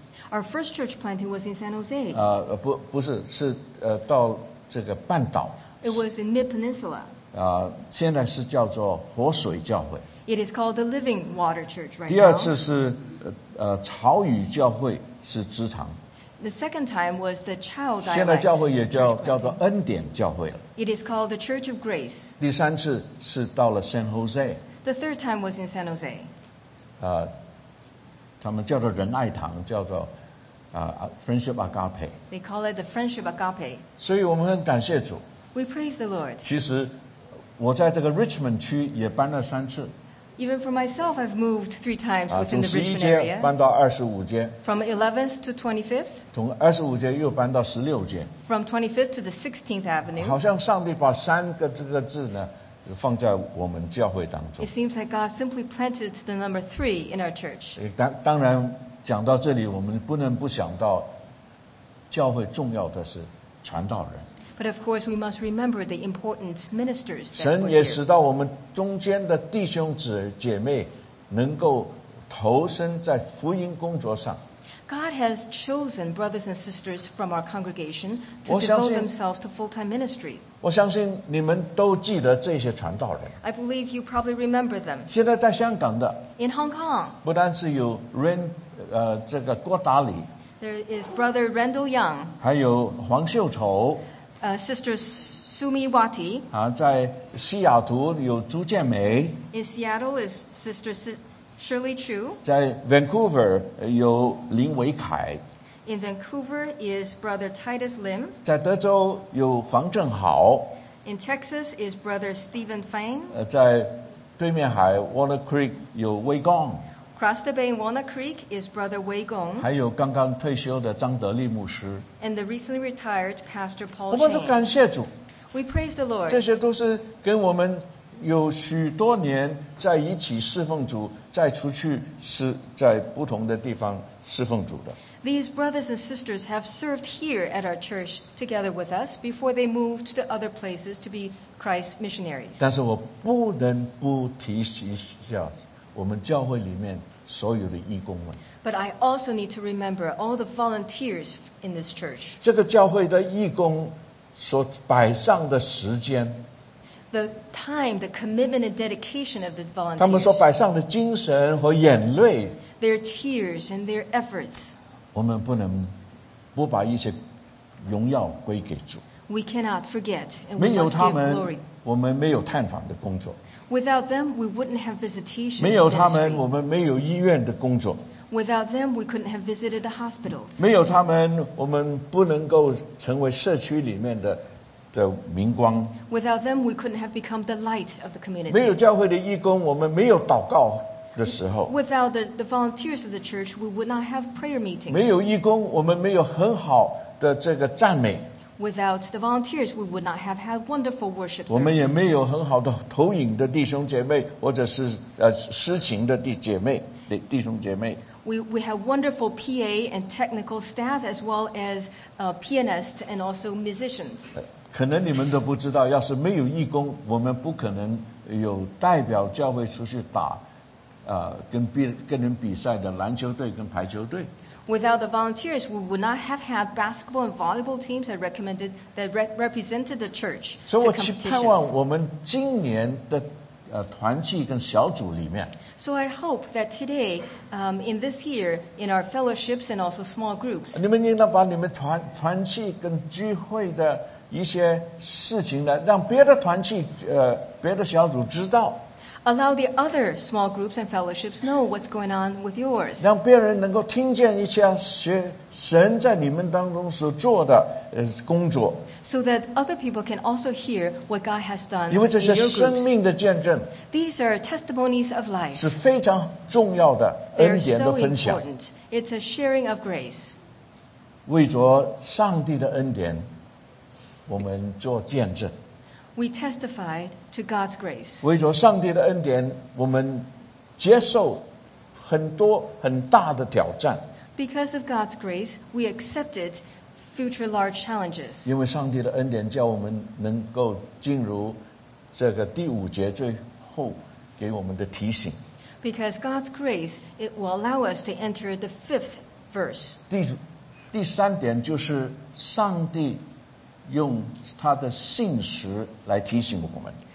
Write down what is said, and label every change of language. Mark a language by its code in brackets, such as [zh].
[en] Our first church planting was in San Jose. [zh] 不是到这个半岛。 [en] It was in Mid Peninsula. [zh] 现在是叫做活水教会。 [en] It is called the Living Water Church right now. [zh] 第二次是潮雨教会是支堂。 [en] The second time was the Chow Dialect. [zh] 现在教会也叫做恩典教会了。 [en] It is called the Church of Grace. [zh] 第三次是到了 San Jose. [en] The third time was in San Jose. [zh] 他们叫做仁爱堂，叫做Friendship Agape. [en] They call it the Friendship Agape. [zh] 所以我们很感谢主。 [en] We praise the Lord. [zh] 其实我在这个 Richmond 区也搬了三次。 [en] Even for myself, I've moved three times within the Richmond area. [zh] 从十一街搬到二十五街。 [en] From 11th to 25th. [zh] 从二十五街又搬到十六街。 [en] From 25th to the 16th Avenue. [zh] 好像上帝把三个这个字呢。放在我们教会当中。 [en] It seems like God simply planted the number three in our church. [zh] 当然，讲到这里，我们不能不想到，教会重要的是传道人。 [en] But of course, we must remember the important ministers. [zh] 神也使到我们中间的弟兄姐妹能够投身在福音工作上。 [en] God has chosen brothers and sisters from our congregation to devote themselves to full-time ministry. [zh] 我相信你们都记得这些传道人。 [en] I believe you probably remember them. [zh] 现在在香港的。 [en] In Hong Kong. [zh] 不单是有 这个郭达里。 [en] There is brother Randall Young. [zh] 还有黄秀丑。 [en] Sister Sumi Wati. [zh] 在西雅图有朱建梅。 [en] In Seattle is Sister Shirley Chu. [zh] 在 Vancouver 有林维凯。 [en] In Vancouver is Brother Titus Lim. [zh] 在德州有房正豪。 [en] In Texas is Brother Stephen Fang. [zh] 在对面海 Walnut Creek 有 Wei Gong. [en] Across the bay in Walnut Creek is Brother Wei Gong. [zh] 还有刚刚退休的张德利牧师。 [en] And the recently retired Pastor Paul. [zh] 我们都感谢主。 [en] We praise the Lord. [zh] 这些都是跟我们。有许多年在一起侍奉主，再出去是在不同的地方侍奉主的。 [en] These brothers and sisters have served here at our church together with us before they moved to other places to be Christ's missionaries. [zh] 但是我不能不提一下我们教会里面所有的义工们。 [en] But I also need to remember all the volunteers in this church. [zh] 这个教会的义工所摆上的时间。 [en] The time, the commitment and dedication of the volunteers. [zh] 他们所摆上的精神和眼泪。 [en] Their tears and their efforts. [zh] 我们不能不把一些荣耀归给主。 [en] We cannot forget and we glory. [zh] 没有他们，我们没有探访的工作。 [en] Without them, we wouldn't have visitation. [zh] 没有他们，我们没有医院的工作。 [en] Without them, we couldn't have visited the hospitals. [zh] 没有他们，我们不能够成为社区里面的明光。 [en] Without them, we couldn't have become the light of the community. [zh] 没有教会的义工，我们没有祷告的时候。 [en] Without the volunteers of the church, we would not have prayer meetings. [zh] 没有义工，我们没有很好的这个赞美。 [en] Without the volunteers, we would not have had wonderful worship services. [zh] 我们也没有很好的投影的弟兄姐妹，或者是施情的弟兄姐妹。 [en] We have wonderful PA and technical staff as well as pianist and also musicians. [zh] 可能你们都不知道，要是没有义工，我们不可能有代表教会出去打跟人比赛的篮球队跟排球队。 [en] Without the volunteers, we would not have had basketball and volleyball teams that recommended that represented the church. [zh] 所以我期望我们今年的团契跟小组里面。 [en] So I hope that today, in this year, in our fellowships and also small groups. [zh] 你们应当把你们团契跟聚会的一些事情呢，让别的团契别的小组知道。 [en] Allow the other small groups and fellowships know what's going on with yours. [zh] 让别人能够听见一下神在你们当中所做的工作。 [en] So that other people can also hear what God has done. [zh] 因为这些生命的见证。 [en] These are testimonies of life. [zh] 是非常重要的恩典的分享。 [en] They're so important. It's a sharing of grace. [zh] 为着上帝的恩典，我们做见证。 [en] We testified to God's grace. [zh] 为着上帝的恩典，我们接受很多很大的挑战。 [en] Because of God's grace, we accepted future large challenges. [zh] 因为上帝的恩典叫我们能够进入这个第五节最后给我们的提醒。 [en] Because God's grace, it will allow us to enter the fifth verse. [zh] 第三点就是上帝用他的信实来提醒我们。